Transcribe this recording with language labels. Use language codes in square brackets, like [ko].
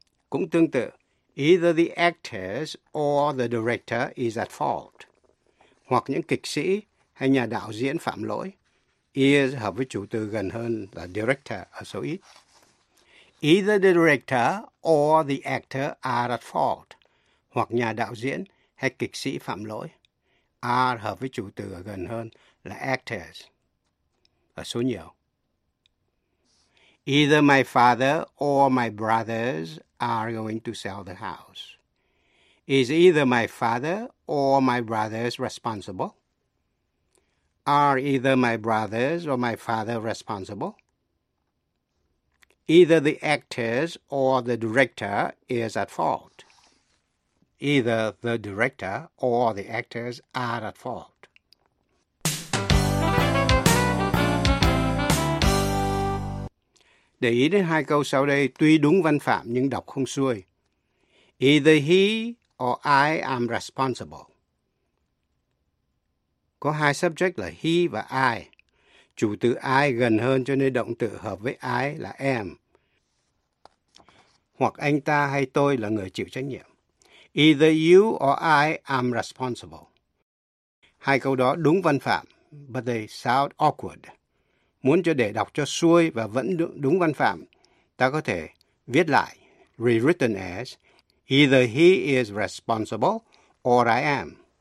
[vi] Cũng tương tự, [en] either the actors or the director is at fault. [vi] Hoặc những kịch sĩ hay nhà đạo diễn phạm lỗi, is hợp với chủ từ gần hơn là director ở số ít. [en] Either the director or the actor are at fault. [vi] Hoặc nhà đạo diễn hay kịch sĩ phạm lỗi. Are hợp với chủ từ ở gần hơn là actors. Ở số nhiều. [en] Either my father or my brothers are going to sell the house. Is either my father or my brothers responsible? Are either my brothers or my father responsible? Either the actors or the director is at fault. Either the director or the actors are at fault. [vi] Để ý đến hai câu sau đây, tuy đúng văn phạm nhưng đọc không xuôi. [en] Either he or I am responsible. [vi] Có hai subject là he và I. Chủ từ I gần hơn cho nên động từ hợp với I là am. Hoặc anh ta hay tôi là người chịu trách nhiệm. [en] Either you or I am responsible. [vi] Hai câu đó đúng văn phạm, [en] but they sound awkward. [vi] Muốn cho để đọc cho xuôi và vẫn đúng văn phạm, ta có thể viết lại, [en] rewritten as, either he is responsible or I am.